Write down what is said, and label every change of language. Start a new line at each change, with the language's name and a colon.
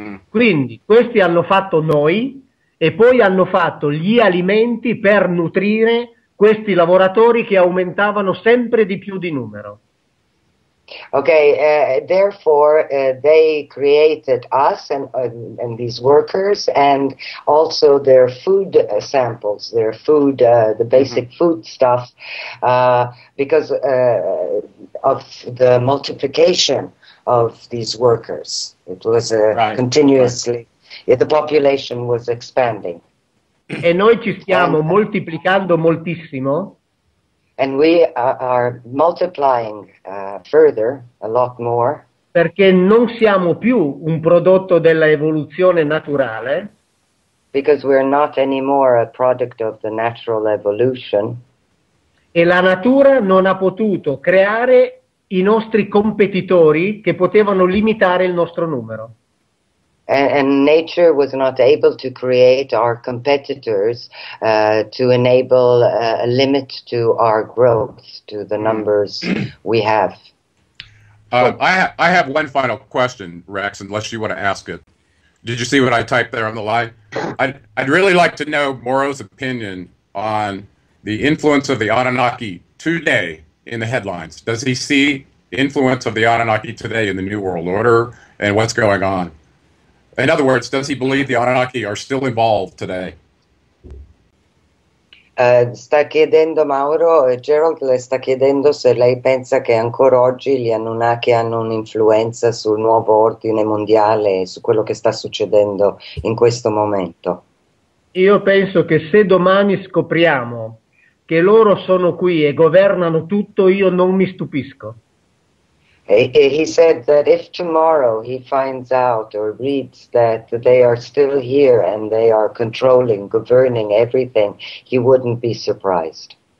Italian: Quindi questi hanno fatto noi e poi hanno fatto gli alimenti per nutrire questi lavoratori che aumentavano sempre di più di numero.
English: Okay, therefore they created us and these workers and also their food samples, their food, the basic mm-hmm. food stuff, because of the multiplication of these workers. It was continuously, the population was expanding.
Italian: E noi ci stiamo moltiplicando moltissimo.
English: And we are multiplying further, a lot more.
Italian: Perché non siamo più un prodotto dell'evoluzione naturale.
English: Because we're not anymore a product of the natural evolution.
Italian: E la natura non ha potuto creare i nostri competitori che potevano limitare il nostro numero.
English: And nature was not able to create our competitors to enable a limit to our growth, to the numbers we have. I have one final question, Rex, unless you want to ask it. Did you see what I typed there on the line? I'd really like to know Mauro's opinion on the influence of the Anunnaki today in the headlines. Does he see influence of the Anunnaki today in the New World Order and what's going on? In other words, does he believe the Anunnaki are still involved today?
Italian: Sta chiedendo Mauro, Gerald le sta chiedendo se lei pensa che ancora oggi gli Anunnaki hanno un'influenza sul nuovo ordine mondiale e su quello che sta succedendo in questo momento. Io penso che se domani scopriamo che loro sono qui e governano tutto, io non mi stupisco.
English: He said that if tomorrow he finds out or reads that they are still here and they are controlling, governing everything, he wouldn't be surprised.